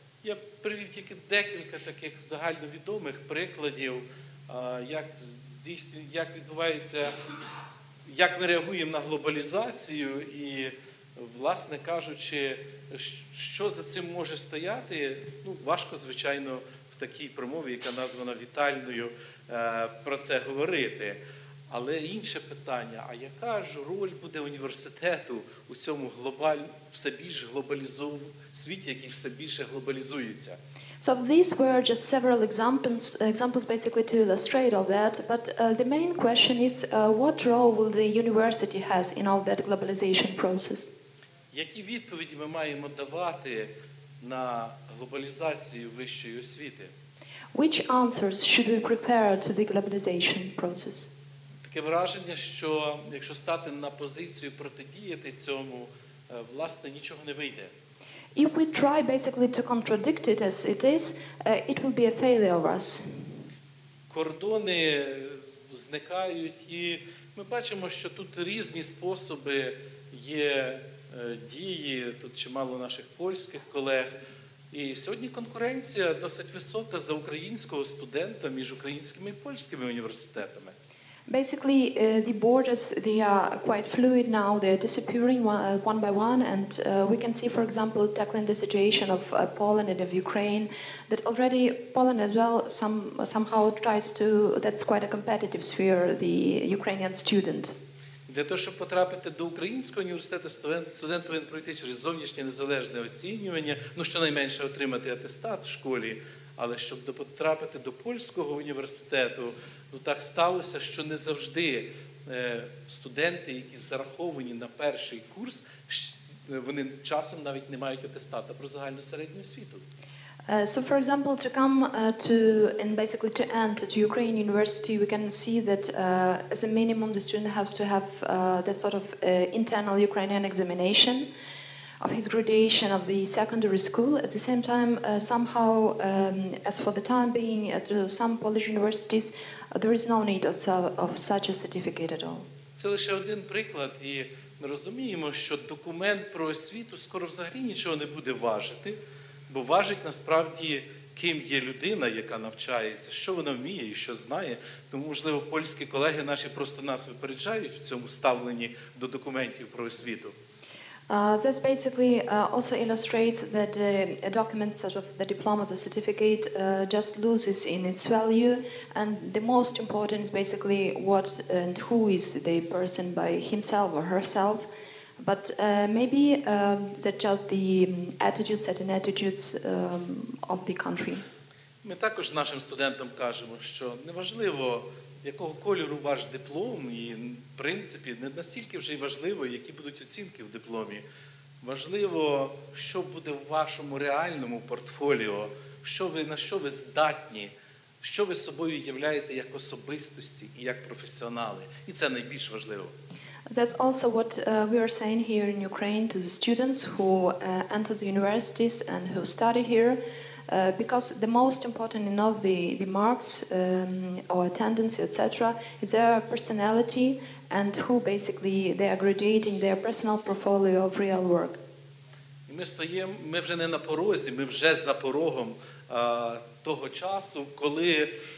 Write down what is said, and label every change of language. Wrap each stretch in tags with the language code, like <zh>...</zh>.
<uk>Я привів тільки декілька таких загальновідомих прикладів, як як відбувається, як ми реагуємо на глобалізацію, і, власне кажучи, що за цим може стояти, ну, важко, звичайно, в такій промові, яка названа вітальною, про це говорити. Але інше питання, а яка ж роль буде університету у цьому все більш глобалізованому світі, який все більше глобалізується?</uk> <en>So these were just several examples basically to illustrate all that, but the main question is what role will the university has in all that globalization process?</en> <uk>Які відповіді ми маємо давати на глобалізацію вищої освіти?</uk> <en>Which answers should we prepare to the globalization process?</en> <uk>Таке враження, що якщо стати на позицію протидіяти цьому, власне, нічого не вийде.</uk> <en>If we try basically to contradict it as it is, it will be a failure of us.</en> <uk>Кордони зникають, і ми бачимо, що тут різні способи є дії, тут чимало наших польських колег. І сьогодні конкуренція досить висока за українського студента між українськими і польськими університетами.</uk> <en>Basically, the borders, they are quite fluid now, they are disappearing one by one, and we can see, for example, tackling the situation of Poland and of Ukraine, that already Poland as well somehow tries to, that's quite a competitive sphere, the Ukrainian student.</en> <uk>Для того, щоб потрапити до українського університету, студент повинен пройти через зовнішнє незалежне оцінювання, ну, щонайменше отримати атестат в школі, але щоб потрапити до польського університету, ну, так сталося, що не завжди студенти, які зараховані на перший курс, вони часом навіть не мають атестата про загальну середню освіту.</uk> <en>So, for example, to come to Ukraine University, we can see that as a minimum, the student has to have that sort of internal Ukrainian examination of his graduation of the secondary school. At the same time, somehow, as for the time being, as to some Polish universities, there is no need of such a certificate at all.</en> <uk>Це лише один приклад, і ми розуміємо, що документ про освіту скоро взагалі нічого не буде важити, бо важить насправді, ким є людина, яка навчається, що вона вміє і що знає. Тому, можливо, польські колеги наші просто нас випереджають в цьому ставленні до документів про освіту.</uk> <en>That basically also illustrates that a document, sort of the diploma, the certificate, just loses in its value. And the most important is basically what and who is the person by himself or herself. But maybe that just the attitudes, certain attitudes of the country.</en> <uk>Ми також нашим студентам кажемо, що неважливо, якого кольору ваш диплом, і, в принципі, не настільки вже й важливо, які будуть оцінки в дипломі. Важливо, що буде в вашому реальному портфоліо, на що ви здатні, що ви собою являєте як особистості і як професіонали. І це найбільш важливо.</uk> <en>That's also what we are saying here in Ukraine to the students who enter the universities and who study here. Because the most important in all the marks or attendance, etc., is their personality and who basically they are graduating their personal portfolio of real work.</en> <uk>Ми вже не на порозі, ми вже за порогом того часу, коли</uk>